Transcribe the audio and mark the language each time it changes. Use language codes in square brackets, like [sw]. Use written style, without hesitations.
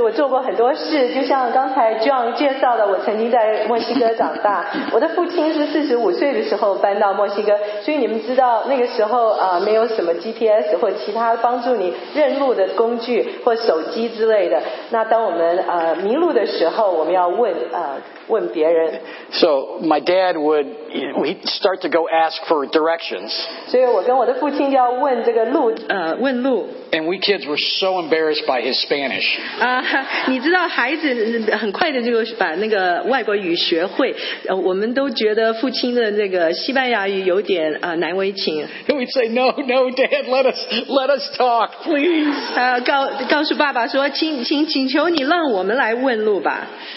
[zh] 我做过很多事，就像刚才 John 介绍的，我曾经在墨西哥长大。我的父亲是45岁的时候搬到墨西哥，所以你们知道那个时候啊，没有什么 GPS 或其他帮助你认路的工具或手机之类的。那当我们迷路的时候，我们要问问别人。 [en] So my dad would, you know, he'd start to go ask for directions. [zh] 所以我跟我的父亲就要问这个路，问路。 [en] And we kids were so embarrassed by his Spanish. [zh] 你知道孩子很快的就把那个外国语学会，我们都觉得父亲的那个西班牙语有点难为情。 [en] We'd say, no, no, Dad, let us talk, please. [zh] 告诉爸爸说，请求你让我们来问路吧。